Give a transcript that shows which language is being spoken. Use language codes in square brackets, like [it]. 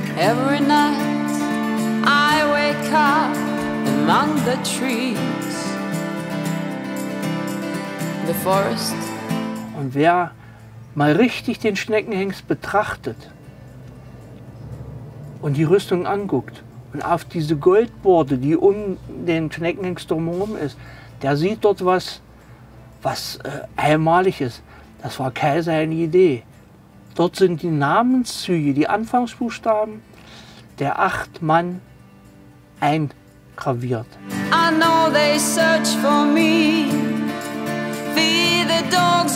[en] Every night I wake up among the trees, the forest. [de] Und wer mal richtig den Schneckenhengst betrachtet und die Rüstung anguckt und auf diese Goldborde, die um den Schneckenhengst drumherum ist, der sieht dort was einmalig ist. Das war Kaiser eine Idee. Dort sind die Namenszüge, die Anfangsbuchstaben der 8 Mann eingraviert. [en] I know they search for me, feed the dogs